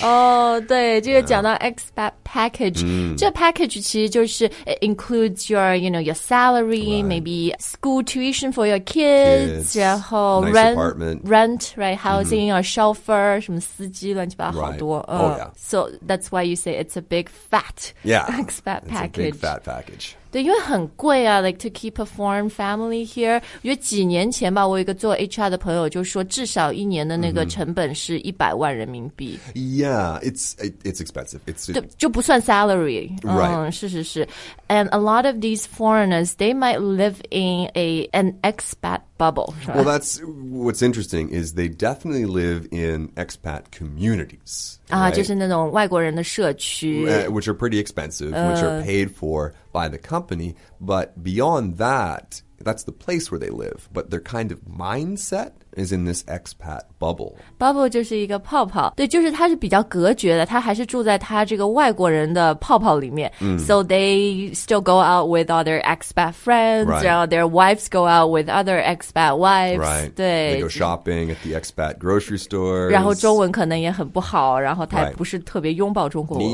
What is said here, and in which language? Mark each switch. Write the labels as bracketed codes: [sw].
[en] Oh, [zh] 对这个讲到 [en] expat package,、 [zh] 这 package 其实就是 [en] it includes your, you know, your salary,、 right. maybe school tuition for your kids, 然后、 nice、 rent, right, housing,、or chauffeur, [zh] 什么司机乱七八糟好多、 [en] right. Oh, yeah. So that's why you say it's a big fat、expat it's package. It's a big fat package. [zh] 对，因为很贵啊 [en] like to keep a foreign family here. [zh] 我觉得几年前吧，我有一个做 HR 的朋友就说至少一年的那个成本是100万人民币。 [en] Yeah, it's expensive. It's [zh] 就不算 salary. [en] Right. [zh] 是是是。 [en] And a lot of these foreigners, they might live in an expat bubble. Well, that's what's interesting is they definitely live in expat communities. Right? [zh] 就是那种外国人的社区。 [en] Which are pretty expensive, which are paid for by the company. But beyond that, that's the place where they live. But their kind of mindset... is in this expat bubble. [zh] Bubble 就是一个泡泡。对，就是它是比较隔绝的，它还是住在它这个外国人的泡泡里面。 [en] So they still go out with all their expat friends, right. You know, their wives go out with other expat wives. Right. [zh] 对。 [en] They go shopping at the expat grocery store. [zh] 然后中文可能也很不好，然后他也不是特别拥抱中国文化。